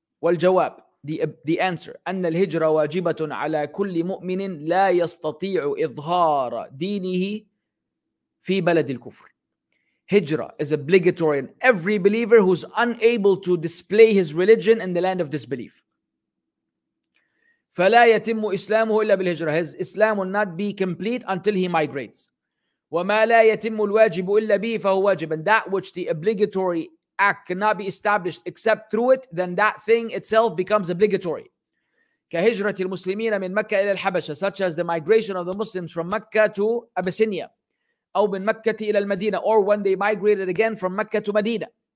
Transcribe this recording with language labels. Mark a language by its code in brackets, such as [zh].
[ar] والجواب, [en] the answer, [ar] أن الهجرة واجبة على كل مؤمن لا يستطيع إظهار دينه في بلد الكفر. [en] Hijra is obligatory in every believer who's unable to display his religion in the land of disbelief. [ar] فلا يتم إسلامه إلا بالهجرة. [en] His Islam will not be complete until he migrates. [ar] وما لا يتم الواجب إلا به فهو واجب. [en] And that which the obligatory act cannot be established except through it, then that thing itself becomes obligatory. [ar] كهجرة المسلمين من مكة إلى الحبشة, [en] such as the migration of the Muslims from Mecca to Abyssinia, [ar] أو من مكة إلى المدينة, [en] or when they migrated again from Mecca to Medina.